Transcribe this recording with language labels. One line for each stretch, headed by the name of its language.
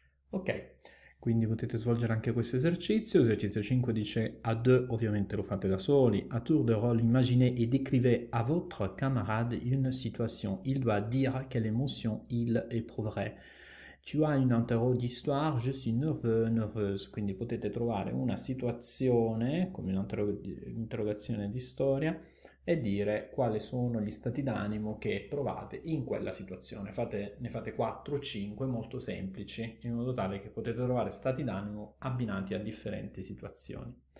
Italian: Ok, quindi potete svolgere anche questo esercizio. Esercizio 5 dice
French: a deux,
Italian: ovviamente lo fate da soli.
French: A tour de rôle, imaginez et décrivez à votre camarade une situation. Il doit dire quelle émotion il éprouverait. Tu as un interro d'histoire, je suis nerveux, nerveuse.
Italian: Quindi potete trovare una situazione, come un'interrogazione di storia, e dire quali sono gli stati d'animo che provate in quella situazione. Ne fate 4 o 5 molto semplici, in modo tale che potete trovare stati d'animo abbinati a differenti situazioni.